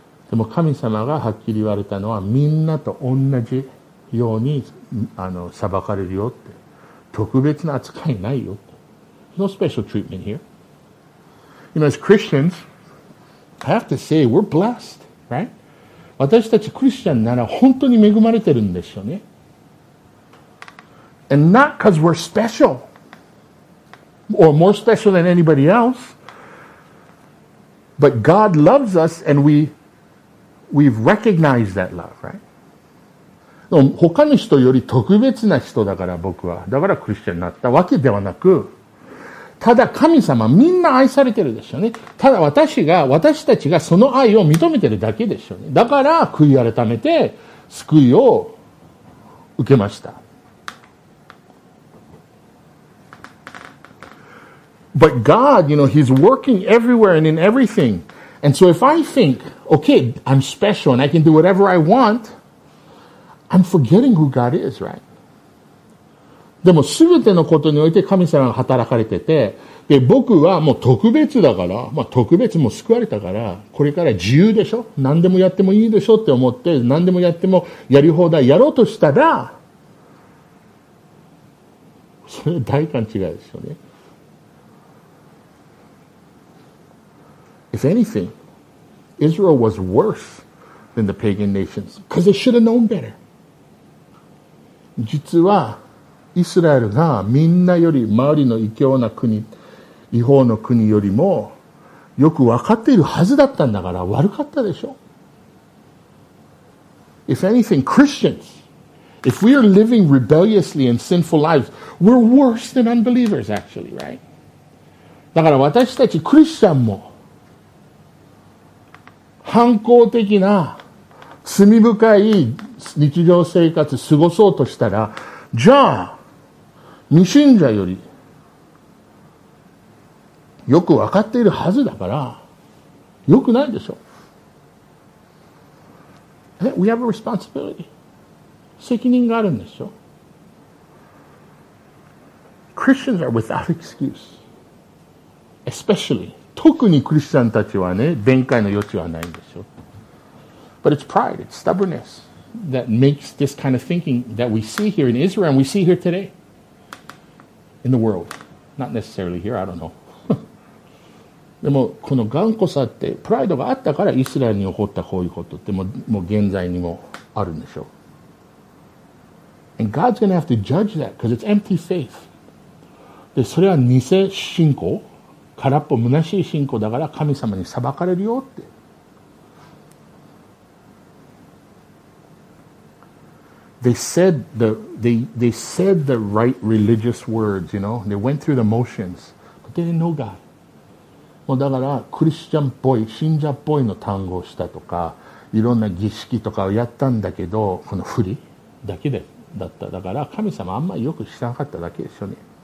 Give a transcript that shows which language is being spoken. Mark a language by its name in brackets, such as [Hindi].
[Japanese] でも神様がはっきり言われたのは、みんなと同じように裁かれるよって。特別な扱いないよって。 [English] No special treatment here. You know, as Christians, I have to say, we're blessed, right? [Japanese] 私たちクリスチャンなら本当に恵まれてるんですよね。 [English] And not because we're special or more special than anybody else, but God loves us and we've recognized that love, right? [Japanese] 他の人より特別な人だから僕は、だからクリスチャンになったわけではなく、ただ神様みんな愛されてるでしょうね。ただ私たちがその愛を認めてるだけでしょうね。だから悔い改めて救いを受けました。 [English] But God, you know, He's working everywhere and in everything. And so if I think, okay, I'm special and I can do whatever I want, I'm forgetting who God is, right? [Japanese] でも全てのことにおいて神様が働かれてて、で僕はもう特別だから、まあ特別も救われたから、これから自由でしょ、何でもやってもいいでしょって思って、何でもやってもやり放題やろうとしたら、それ大勘違いですよね。 [English] If anything, Israel was worse than the pagan nations because they should have known better. [Japanese] 実はイスラエルがみんなより周りの異教な国、異邦の国よりもよく分かっているはずだったんだから悪かったでしょ。 [English] If anything, Christians, if we are living rebelliously and sinful lives, we're worse than unbelievers actually, right? [Japanese] だから私たちクリスチャンも反抗的な罪深い日常生活過ごそうとしたら、じゃあ未信者よりよく分かっているはずだから、よくないでしょ。 [English] We have a responsibility. [Japanese] 責任があるんでしょ。 [English] Christians are without excuse. Especially. [Japanese] 特にクリスチャンたちはね、弁解の余地はないんでしょ。 [English] But it's pride, it's stubbornness. that makes this kind of thinking that we see here in Israel and we see here today in the world. Not necessarily here, I don't know. [Japanese] でもこの頑固さってプライドがあったからイスラエルに起こったこういうことって もう現在にもあるんでしょう。 [English] And God's going to have to judge that because it's empty faith. [Japanese] でそれは偽信仰、空っぽ虚しい信仰だから神様に裁かれるよって。 [English] They said the right religious words, you know. They went through the motions, but they didn't know God. [Japanese] もうだからクリスチャンっぽい信者っぽいの単語をしたとか、いろんな儀式とかをやったんだけど、このふりだけでだった。だから神様あんまりよく知らなかっただけですよね。